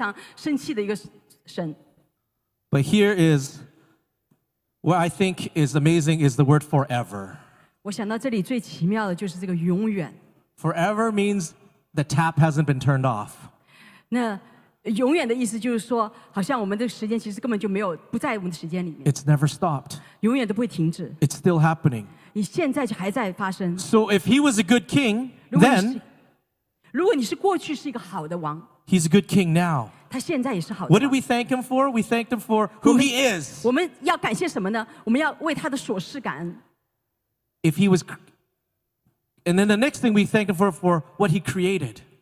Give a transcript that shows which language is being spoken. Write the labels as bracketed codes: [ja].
[zh] 但是我们每一次当我们读这个旧约的时候，我们可能会感觉他是一个定罪的，他是一个非常生气的一个神。 [en] But here is what I think is amazing is the word forever. [zh] 我想到这里最奇妙的就是这个永远。 [en] Forever means the tap hasn't been turned off. [zh] 那永远的意思就是说，好像我们的时间其实根本就没有不在我们的时间里面。 [en] It's never stopped. [zh] 永远都不会停止。 [en] It's still happening. [zh] 你现在还在发生。 [en] So if he was a good king, then [zh] 如果你是过去是一个好的王, [en] he's a good king now. [zh] 他现在也是好的王。 [en] What did we thank him for? We thanked him for who [zh] 我们, [en] he is. [zh] 我们要感谢什么呢? 我们要为他的所事感恩。 [en] If he was, and then the next thing we thank him for what he created.